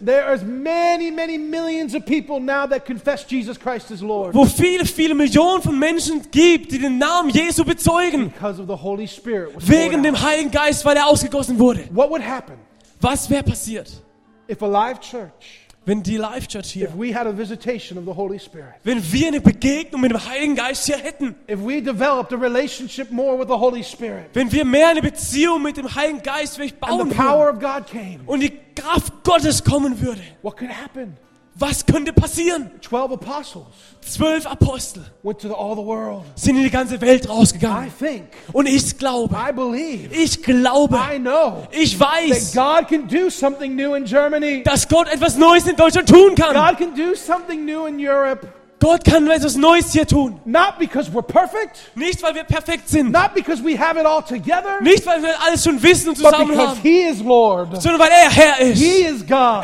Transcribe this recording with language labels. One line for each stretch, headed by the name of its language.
English: There are many, many millions of people now that confess Jesus Christ as Lord.
German: Wo viele, viele Millionen von Menschen gibt, die den Namen Jesu bezeugen.
English: Because of the Holy Spirit.
German: Dem Heiligen Geist, weil er ausgegossen wurde.
English: What would happen,
German: was wäre passiert,
English: if a live church,
German: wenn die Live Church hier,
English: if we had a visitation of the Holy Spirit,
German: wenn wir eine Begegnung mit dem Heiligen Geist hier hätten,
English: if we developed a relationship more with the Holy Spirit,
German: wenn wir mehr eine Beziehung mit dem Heiligen Geist bauen würden,
English: and the power of God came,
German: und die Kraft Gottes kommen würde,
English: what could happen?
German: Was könnte passieren?
English: 12
German: Apostel
English: went to all the world.
German: Sind in die ganze Welt rausgegangen.
English: I think,
German: und ich glaube,
English: I believe,
German: ich glaube,
English: I know,
German: ich weiß,
English: that God can do something new in Germany.
German: Dass Gott etwas Neues in Deutschland tun kann.
English: God can do something new in Europe.
German: Gott kann etwas Neues hier tun.
English: Not because we're perfect,
German: nicht, weil wir perfekt sind.
English: Not because we have it all together,
German: nicht, weil wir alles schon wissen und zusammen
English: but because
German: haben.
English: He is Lord,
German: sondern weil er Herr ist.
English: He is God,